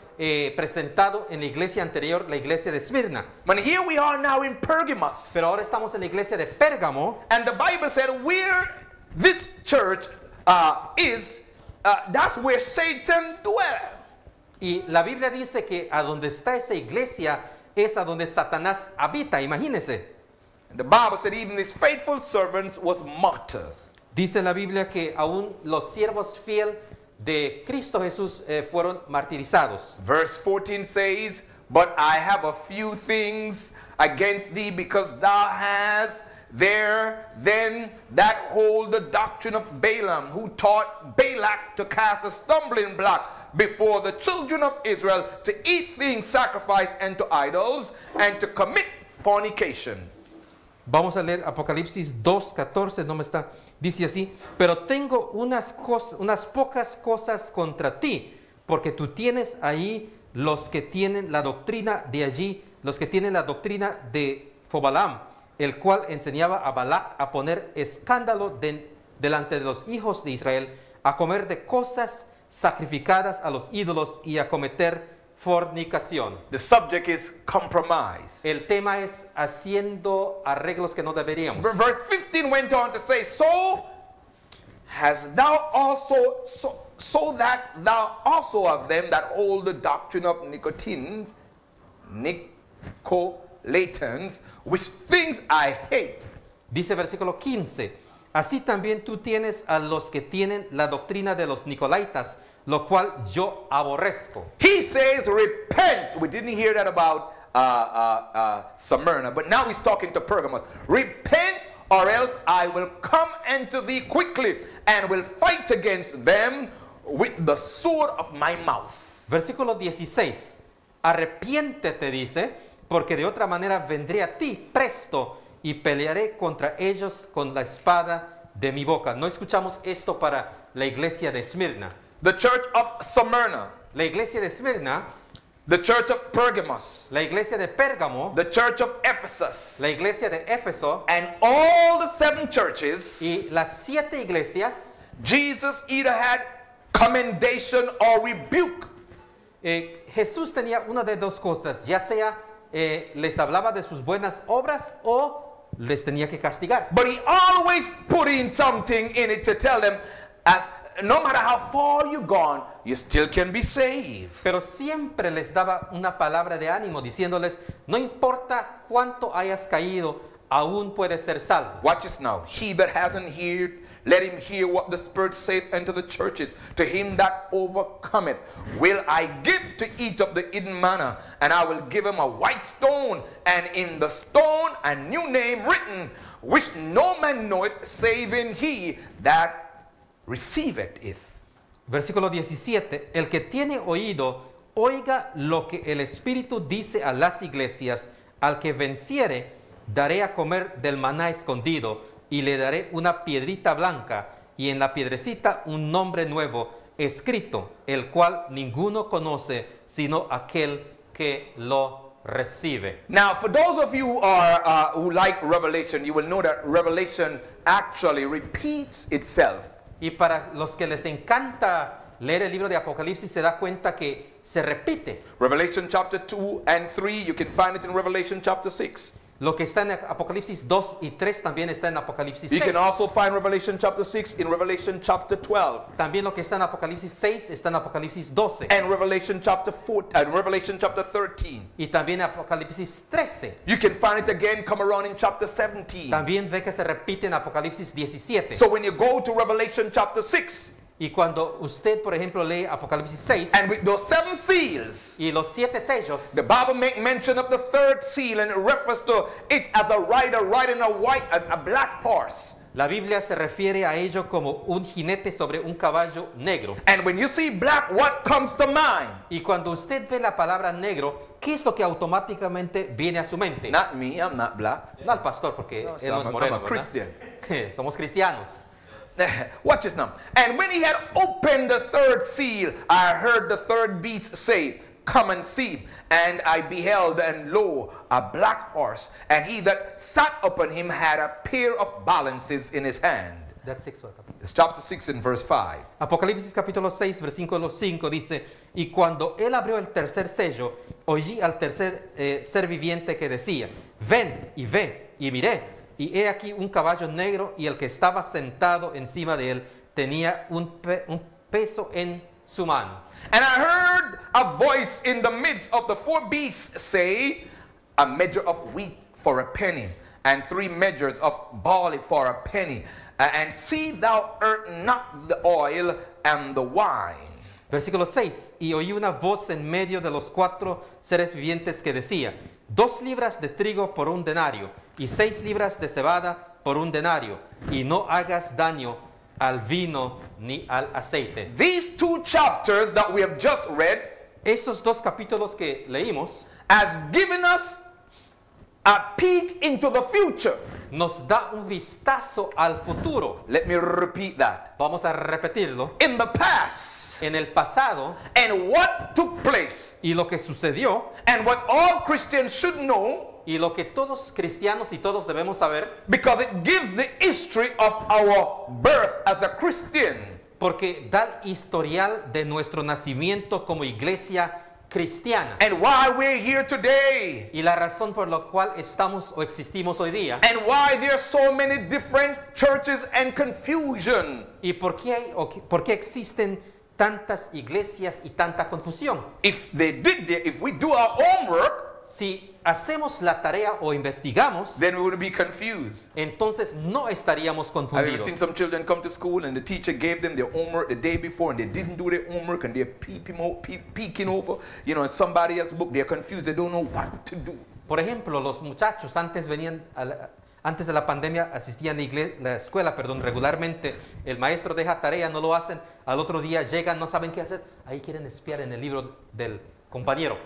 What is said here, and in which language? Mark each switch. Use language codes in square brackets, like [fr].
[es] presentado en la iglesia anterior, la iglesia de Smirna. [en] But here we are now in Pergamos. [es] Pero ahora estamos en la iglesia de Pérgamo. [en] And the Bible said where this church is, that's where Satan dwells. [es] Y la Biblia dice que a donde está esa iglesia es a donde Satanás habita, imagínese. [en] The Bible said even his faithful servants was mocked. [es] Dice la Biblia que aún los siervos fiel de Cristo Jesús fueron martirizados. [en] Verse 14 says, but I have a few things against thee because thou hast there then that hold the doctrine of Balaam, who taught Balak to cast a stumbling block before the children of Israel to eat things sacrificed unto idols and to commit fornication. [es] Vamos a leer Apocalipsis 2:14, no me está, dice así, pero tengo unas pocas cosas contra ti, porque tú tienes ahí los que tienen la doctrina de allí, los que tienen la doctrina de Fobalam, el cual enseñaba a Balac a poner escándalo delante de los hijos de Israel, a comer de cosas sacrificadas a los ídolos y a cometer fornicación. [en] The subject is compromise. [es] El tema es haciendo arreglos que no deberíamos. [en] Verse 15 went on to say, so that thou also of them that hold the doctrine of Nicolaitans, which things I hate. [es] Dice versículo 15, así también tú tienes a los que tienen la doctrina de los Nicolaitas, lo cual yo aborrezco. [en] He says, repent. We didn't hear that about Smyrna, but now he's talking to Pergamos. Repent, or else I will come unto thee quickly and will fight against them with the sword of my mouth. [es] Versículo 16. Arrepiéntete, dice, porque de otra manera vendré a ti presto y pelearé contra ellos con la espada de mi boca. No escuchamos esto para la iglesia de Smyrna. [en] The church of Smyrna. [es] La iglesia de Smyrna. [en] The church of Pergamos. [es] La iglesia de Pérgamo. [en] The church of Ephesus. [es] La iglesia de Éfeso. [en] And all the seven churches. [es] Y las siete iglesias. [en] Jesus either had commendation or rebuke. [es] Jesús tenía una de dos cosas. Ya sea les hablaba de sus buenas obras o les tenía que castigar. [en] But he always put in something in it to tell them as no matter how far you've gone, you still can be saved. [es] Pero siempre les daba una palabra de ánimo, diciéndoles, no importa cuánto hayas caído, aún puedes ser salvo. [en] Watch this now. He that hasn't heard, let him hear what the Spirit saith unto the churches. To him that overcometh, will I give to eat of the hidden manna, and I will give him a white stone, and in the stone a new name written, which no man knoweth, saving he that receive it. [es] Versículo 17. El que tiene oído, oiga lo que el Espíritu dice a las iglesias. Al que venciere, daré a comer del maná escondido, y le daré una piedrita blanca, y en la piedrecita un nombre nuevo, escrito, el cual ninguno conoce, sino aquel que lo recibe. [en] Now, for those of you who like Revelation, you will know that Revelation actually repeats itself. [es] Y para los que les encanta leer el libro de Apocalipsis, se da cuenta que se repite. [en] Revelation chapter 2 and 3, you can find it in Revelation chapter 6. [es] Lo que está en Apocalipsis 2 y 3 también está en Apocalipsis 6. [en] You can also find Revelation chapter 6 in Revelation chapter 12. [es] También lo que está en Apocalipsis 6 está en Apocalipsis 12. [en] And Revelation chapter 14, and Revelation chapter 13. [es] Y también en Apocalipsis 13. [en] You can find it again, come around in chapter 17. [es] También ve que se repite en Apocalipsis 17. [en] So when you go to Revelation chapter 6. [es] Y cuando usted, por ejemplo, lee Apocalipsis 6. [en] And with those seven seals. [es] Y los siete sellos. [en] The Bible make mention of the third seal and it refers to it as a rider riding a black horse. [es] La Biblia se refiere a ello como un jinete sobre un caballo negro. [en] And when you see black, what comes to mind? [es] Y cuando usted ve la palabra negro, ¿qué es lo que automáticamente viene a su mente? [en] Not me, I'm not black. [es] No al pastor, porque no, él no es moreno, [en] I'm a Christian. [es] Somos cristianos. [en] Watch this now. And when he had opened the third seal, I heard the third beast say, come and see. And I beheld, and lo, a black horse, and he that sat upon him had a pair of balances in his hand. That's 6. What? It's chapter 6 and verse 5. [es] Apocalipsis capítulo 6 versículo 5 dice, y cuando él abrió el tercer sello, oí al tercer ser viviente que decía, ven y ve y miré, y he aquí un caballo negro y el que estaba sentado encima de él tenía un peso en su mano. [en] And I heard a voice in the midst of the four beasts say, a measure of wheat for a penny, and three measures of barley for a penny, and see thou earth not the oil and the wine. [es] Versículo 6. Y oí una voz en medio de los cuatro seres vivientes que decía, dos libras de trigo por un denario, y seis libras de cebada por un denario, y no hagas daño al vino ni al aceite. [en] These two chapters that we have just read, [es] estos dos capítulos que leímos, [en] has given us a peek into the future. [es] Nos da un vistazo al futuro. [en] Let me repeat that. [es] Vamos a repetirlo. [en] In the past. [es] En el pasado. [en] And what took place. [es] Y lo que sucedió. [en] And what all Christians should know. [es] Y lo que todos cristianos y todos debemos saber. [en] Because it gives the history of our birth as a Christian. [es] Porque da el historial de nuestro nacimiento como iglesia cristiana. [en] And why we're here today. [es] Y la razón por la cual estamos o existimos hoy día. [en] And why there are so many different churches and confusion. [es] Y por qué hay, o que, por qué existen tantas iglesias y tanta confusión. [en] If we do our homework. [es] Si hacemos la tarea o investigamos, [en] then we would be confused. [es] Entonces no estaríamos confundidos. [en] I've seen some children come to school and the teacher gave them their homework the day before and they didn't do their homework and they're peeking over, you know, somebody else's book. They're confused. They don't know what to do. [es] Por ejemplo, los muchachos antes venían a la, antes de la pandemia asistían a la escuela, regularmente. El maestro deja tarea, no lo hacen. Al otro día llegan, no saben qué hacer. Ahí quieren espiar en el libro del compañero.